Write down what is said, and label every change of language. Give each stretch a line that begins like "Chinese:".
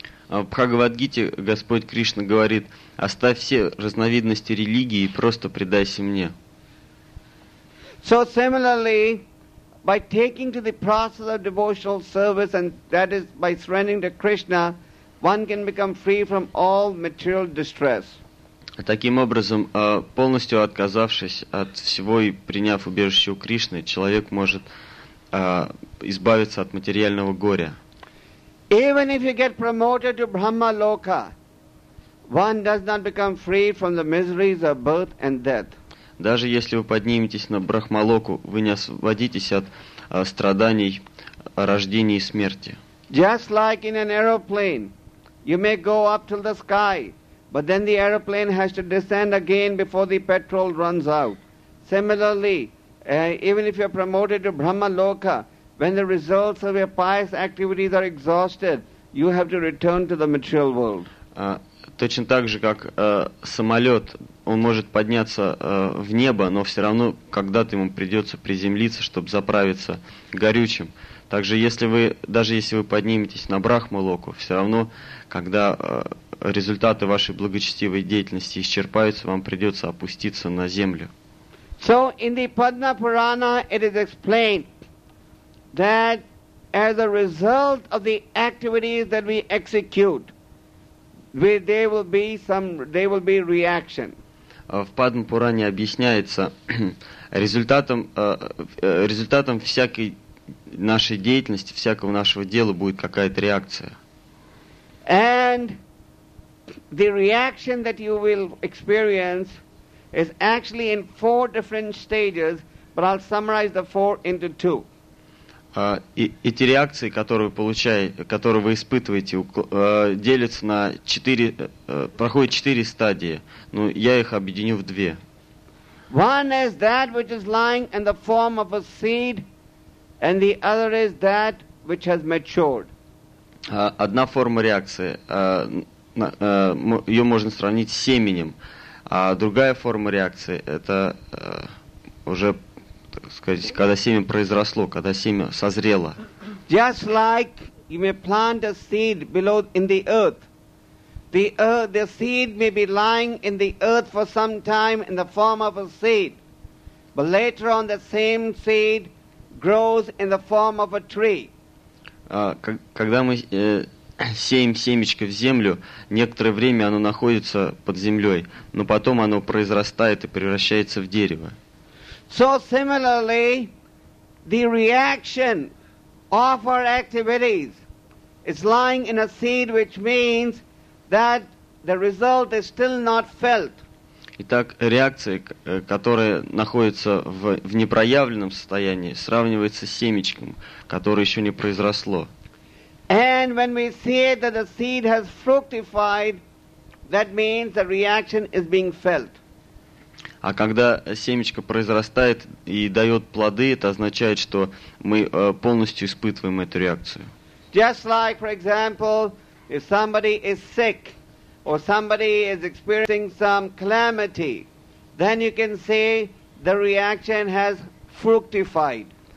Russian: В Бхагавадгите Господь Кришна говорит, оставь все разновидности религии и просто предайся мне.
English: So similarly, by taking to the process of devotional service, and that is by surrendering to Krishna, one can become free from all material distress.
Russian: Таким образом, полностью отказавшись от всего и приняв убежище у Кришны, человек может избавиться от материального горя.
English: Even if you get promoted to Brahma Loka, one does not become free from the miseries of birth and death.
Russian: Даже если вы подниметесь на Брахмалоку, вы не освободитесь от страданий рождения и смерти.
English: Just like in an aeroplane, you may go up to the sky, but then the aeroplane has to descend again before the petrol runs out. Similarly, even if you're promoted to Brahma Loka, when the results of your pious activities are exhausted, you have to return to the material world.
Russian: Точно так же, как самолет, он может подняться в небо, но все равно когда-то ему придется приземлиться, чтобы заправиться горючим. Также, если вы подниметесь на Брахмалоку, все равно, когда результаты вашей благочестивой деятельности исчерпаются, вам придется опуститься на землю.
English: So, in the Padma Purana, it is explained that as a result of the activities that we execute, there will be reaction.
Russian: В Падма Пуране объясняется результатом всякой нашей деятельности, всякого нашего дела будет какая-то реакция.
English: And the reaction that you will experience is actually in 4 different stages, but I'll summarize the 4 into 2.
Russian: Эти реакции, которые вы испытываете, делятся на 4, проходят 4 стадии. Но я их объединю в 2.
English: One is that which is lying in the form of a seed, and the other is that which has matured.
Russian: Одна форма реакции, ее можно сравнить с семенем, а другая форма реакции – это уже, так сказать, когда семя произросло, когда семя созрело.
English: Just like you may plant a seed below in the earth. The seed may be lying in the earth for some time in the form of a seed. But later on the same seed grows in the form of a tree.
Russian: Когда мы сеем семечко в землю, некоторое время оно находится под землей, но потом оно произрастает и превращается в дерево.
English: So similarly, the reaction of our activities is lying in a seed, which means that the result is still not felt.
Russian: Итак, реакция, которая находится в непроявленном состоянии, сравнивается с семечком, которое еще не произросло.
English: And when we see that the seed has fructified, that means the reaction is being felt.
Russian: А когда семечко произрастает и дает плоды, это означает, что мы полностью испытываем эту реакцию.
English: Just like, for example, if somebody is sick or somebody is experiencing some calamity, then you can say the reaction has fructified.